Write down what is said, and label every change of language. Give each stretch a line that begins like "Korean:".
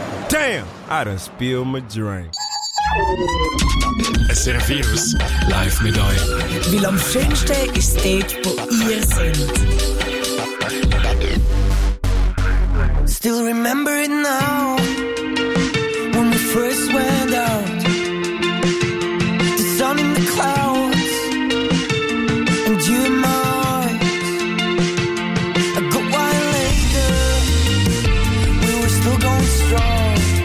English: Damn, I done spilled my drink.
German: SRF Virus, live mit euch. Weil am schönsten ist dort, wo ihr seid.
English: Still remember it now, when we first went out. The sun in the clouds, and you in my arms. A good while later, we were still going strong.